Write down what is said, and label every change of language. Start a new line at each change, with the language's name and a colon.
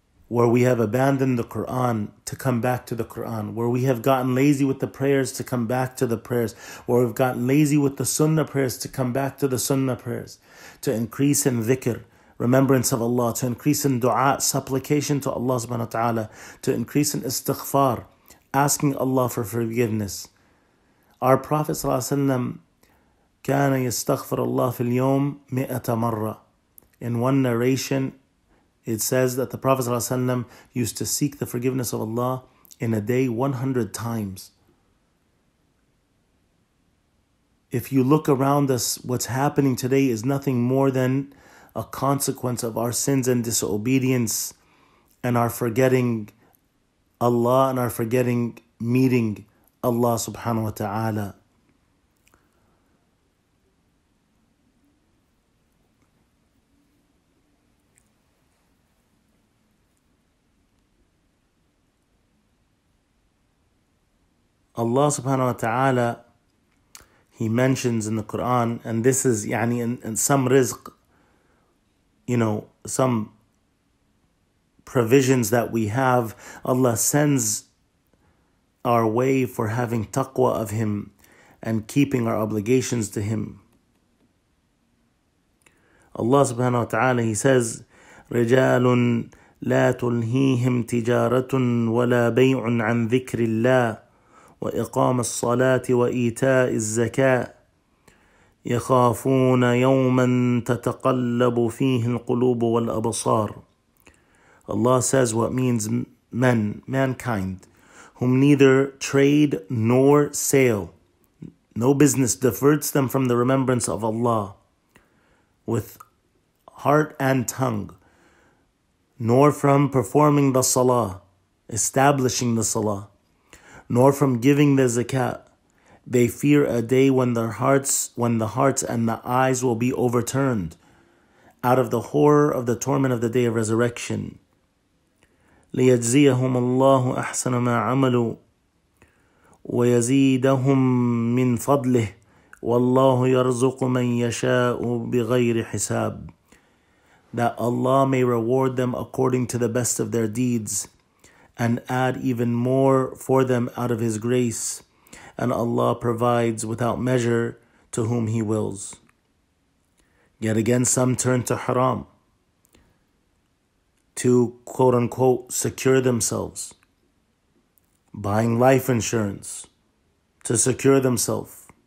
English: where we have abandoned the Quran to come back to the Quran, where we have gotten lazy with the prayers to come back to the prayers, where we've gotten lazy with the Sunnah prayers to come back to the Sunnah prayers, to increase in dhikr, remembrance of Allah, to increase in dua, supplication to Allah subhanahu wa ta'ala, to increase in istighfar, asking Allah for forgiveness. Our Prophet
Arabic: sallallahu alaihi wasallam كان يستغفر الله في اليوم 100 مرة.
English: In one narration, it says that the Prophet sallallahu alaihi wasallam used to seek the forgiveness of Allah in a day 100 times. If you look around us, what's happening today is nothing more than a consequence of our sins and disobedience and our forgetting Allah and our forgetting meeting Allah subhanahu wa ta'ala. Allah subhanahu wa ta'ala, He mentions in the Quran, and this is يعني, in some rizq, you know, some provisions that we have, Allah sends our way for having taqwa of Him and keeping our obligations to Him.
Arabic: Allah subhanahu wa ta'ala,
English: He says,
Arabic: رِجَالٌ لَا تُلْهِيهِمْ تِجَارَةٌ وَلَا بَيْعٌ عَنْ ذِكْرِ اللَّهِ وإقام الصلاة وإيتاء الزكاة يخافون يوما تتقلب فيه القلوب والأبصار.
English: Allah says what means men, mankind, whom neither trade nor sale, no business diverts them from the remembrance of Allah with heart and tongue, nor from performing the salah, establishing the salah, nor from giving the zakat. They fear a day when their hearts, when the hearts and the eyes will be overturned out of the horror of the torment of the day of resurrection.
Arabic: ليجزيهم الله أحسن ما عملوا ويزيدهم من فضله والله يرزق من يشاء بغير حساب.
English: That Allah may reward them according to the best of their deeds and add even more for them out of His grace. And Allah provides without measure to whom He wills. Yet again, some turn to haram to quote unquote secure themselves, buying life insurance to secure themselves.